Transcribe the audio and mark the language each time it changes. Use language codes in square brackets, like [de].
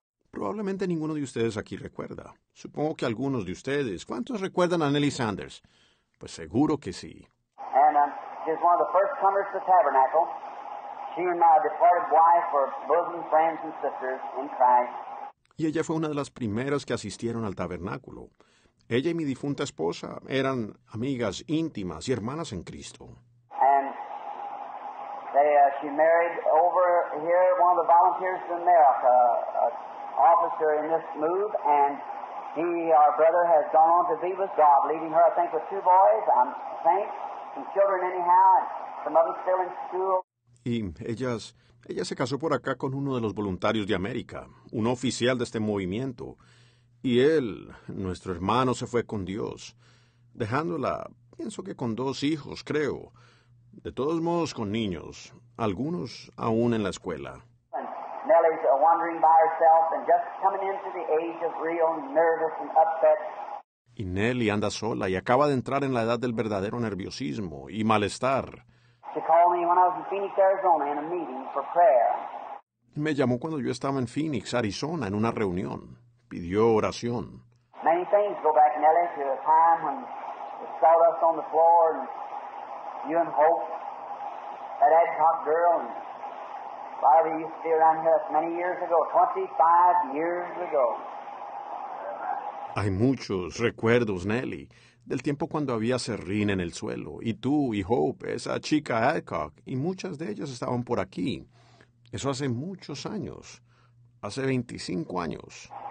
[es] Probablemente ninguno de ustedes aquí recuerda. Supongo que algunos de ustedes. ¿Cuántos recuerdan a Nelly Sanders? Pues seguro que sí. [en] And she's one of the first comers to Tabernacle. She and my departed wife were bosom friends and sisters in Christ. [es] Y ella fue una de las primeras que asistieron al tabernáculo. Ella y mi difunta esposa eran amigas íntimas y hermanas en Cristo. [en] And they, she married over here one of the volunteers in America, an officer in this move, and he, our brother, has gone on to be with God, leaving her, I think, with two boys, I think, some children anyhow, and some of them still in school. [es] Y ella se casó por acá con uno de los voluntarios de América, un oficial de este movimiento. Y él, nuestro hermano, se fue con Dios, dejándola, pienso que con dos hijos, creo. De todos modos, con niños, algunos aún en la escuela. [en] Nellie's wandering by herself and just coming into the age of real nervous and upset. [es] Y Nelly anda sola y acaba de entrar en la edad del verdadero nerviosismo y malestar. [en] She called me when I was in Phoenix, Arizona, in a meeting for prayer. [es] Me llamó cuando yo estaba en Phoenix, Arizona, en una reunión. Pidió oración. [en] Many things go back, Nellie, to the time when the sawdust on the floor and you and Hope, that ad hoc girl, and Bobby used to be around here many years ago, 25 years ago. [es] Hay muchos recuerdos, Nelly, del tiempo cuando había serrín en el suelo, y tú y Hope, esa chica Adcock, y muchas de ellas estaban por aquí. Eso hace muchos años, hace 25 años.